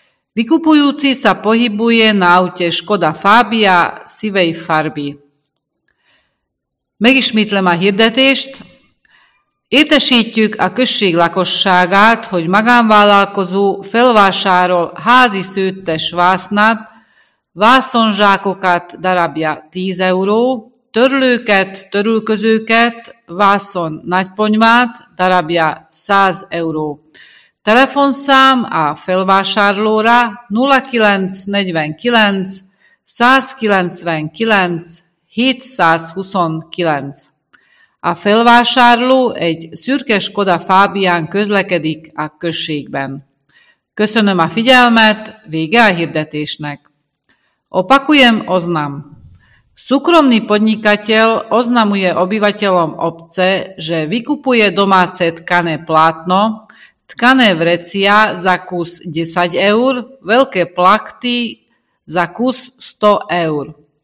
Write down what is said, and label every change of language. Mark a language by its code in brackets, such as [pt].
[sk] Vykupujúci sa pohybuje na aute Škoda Fabia sivej farby. [hu] Megismétlem a hirdetést. Értesítjük a község lakosságát, hogy magánvállalkozó felvásárol házi szőttes vásznát, vászonzsákokat darabja 10 euró, törlőket, törülközőket, vászon nagyponyvát darabja 100 euró. Telefonszám a felvásárlóra 0949 199 729. A felvásárló egy szürke Skoda Fabián közlekedik a községben. Köszönöm a figyelmet, vége a hirdetésnek. [sk] Opakujem oznam. Súkromný podnikateľ oznamuje obyvateľom obce, že vykupuje domáce tkané plátno, tkané vrecia za kus 10 eur, veľké plachty za kus 100 eur.